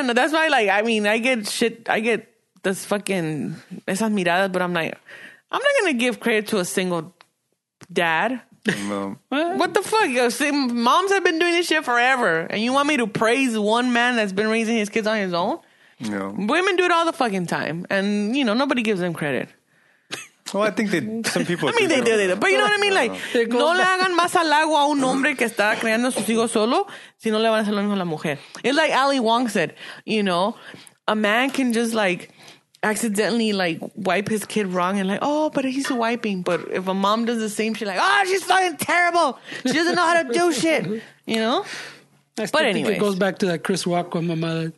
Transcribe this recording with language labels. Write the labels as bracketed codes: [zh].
[en] That's why, like, I mean, I get shit. I get this fucking, [es] esas miradas, [en] but I'm like, I'm not going to give credit to a single dad. No. What the fuck? See, moms have been doing this shit forever, and you want me to praise one man that's been raising his kids on his own? No. Women do it all the fucking time, and you know nobody gives them credit. Well, I think they. Some people. I mean, they do, but you know what I mean. [es] Like, no le hagan más al agua a un hombre que está creando sus hijos solo, si no le van a hacer lo mismo a la mujer. [en] It's like Ali Wong said. You know, a man can just like accidentally like wipe his kid wrong and like, oh, but he's wiping. But if a mom does the same, she's like, oh, she's fucking terrible, she doesn't know how to do shit, you know. But anyway, it goes back to that Chris Rock with my mother.